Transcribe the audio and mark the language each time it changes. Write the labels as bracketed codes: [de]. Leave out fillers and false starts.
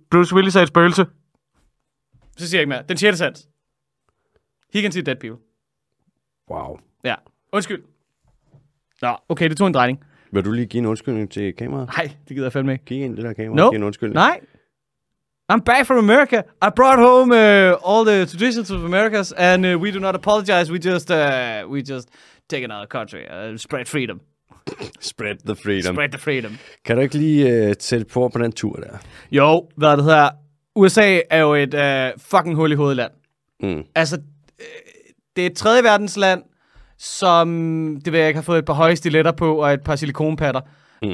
[da] Bruce Willis er et spøgelse. Så siger jeg ikke mere. Den sjette sans. [en] He can see dead people. [da] Wow. Ja, undskyld. Nå, okay, det tog en drejning. Vil du lige give en undskyldning til kameraet? Nej, det gider jeg fandme ikke. Kig ind i det der kamera og give en undskyldning. [en] Nej. I'm back from America. I brought home all the traditions of Americas, and we do not apologize. We just take another country. Spread freedom. Spread the freedom. Spread the freedom. [da] Kan du ikke lige sætte på den tur der? Jo, hvad det hedder. USA er jo et fucking hul i hovedet land. Mm. Altså, det er et tredje verdens land, som, det ved jeg ikke, har fået et par høje stiletter på og et par silikonpatter. Mm.